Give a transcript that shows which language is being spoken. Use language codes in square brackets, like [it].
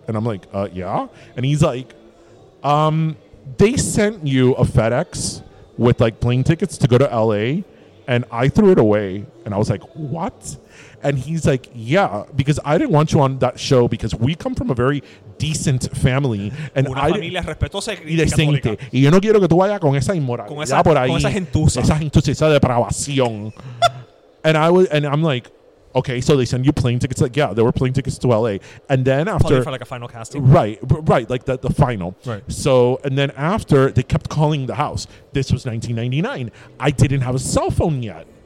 [en] And I'm like, yeah. And he's like, they sent you a FedEx with like plane tickets to go to LA. And I threw it away. And I was like, what? And he's like, yeah, because I didn't want you on that show because we come from a very decent family. And [es] una familia respetuosa y yo no quiero que tú vayas con esa inmoralidad por ahí. Con esa gentuza. Esa gentuza, esa depravación. [en] And I'm like, okay, so they send you plane tickets. Like, yeah, there were plane tickets to LA. And then after... Probably for like a final casting. Right, like the final. Right. So, and then after, they kept calling the house. This was 1999. I didn't have a cell phone yet.